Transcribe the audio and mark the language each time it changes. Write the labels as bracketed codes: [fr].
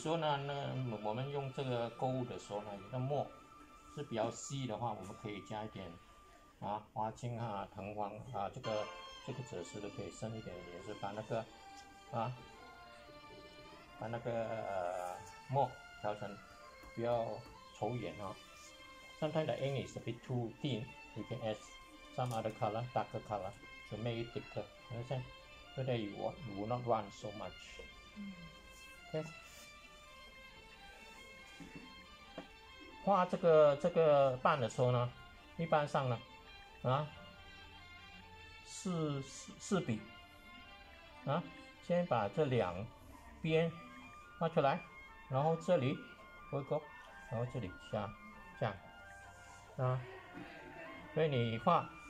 [zh] 说呢，那我们用这个勾的时候呢，你的墨是比较细的话，我们可以加一点啊花青啊、藤黄啊，这个赭石都可以深一点，也是把那个墨调成比较稠一点啊。 [en] Sometimes the ink is a bit too thin, you can add some other color, darker color to make it thicker. Understand? So that you will not run so much. Okay. [zh] 画这个瓣的时候呢，一般上呢，啊，四笔，啊，先把这两边画出来，然后这里勾勾，然后这里下这样，啊，所以你画。